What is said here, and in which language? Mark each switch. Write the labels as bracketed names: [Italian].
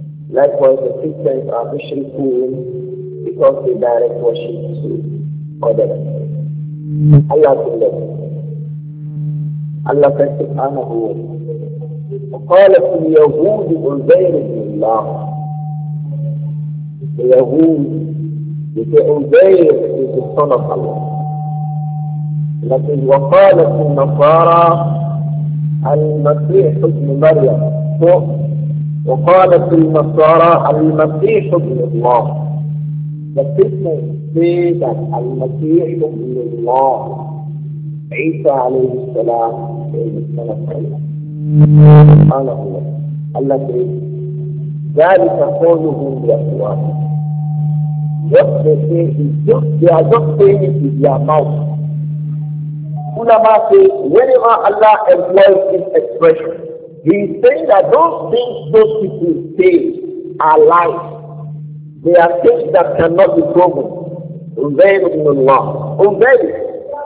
[English] Likewise, the Christians are mushrikun because they direct worship to other than Allah. Allah said [Arabic] subhanahu wa ta'ala, قَالَتُ الْيَهُودِ عُزَيْرُ بْنُ اللَّهِ. [English] The Yahud, they say, Uzair is the son of Allah. That is, [Arabic] وَقَالَتُ النَّصَارَى الْمَسِيحُ بْنُ مَرْيَمُ. وَقَالَتُ النَّصَارَى الْمَسِيحُ بْنُ اللَّهِ. [English] The Christians say that [Arabic] الْمَسِيحُ بْنُ اللَّهِ [English] Isa alayhi salam is the son of Allah. Allah says, [Arabic] ذَلِكَ قَوْلُهُمْ بِأَفْوَاهِهِمْ. [English] What they say is just, they are just saying it with their mouth. Ulama say, whenever Allah employs this expression, he is saying that those things those people say are lies. They are things that cannot be proven. Uzair ibn Allah. Uzair.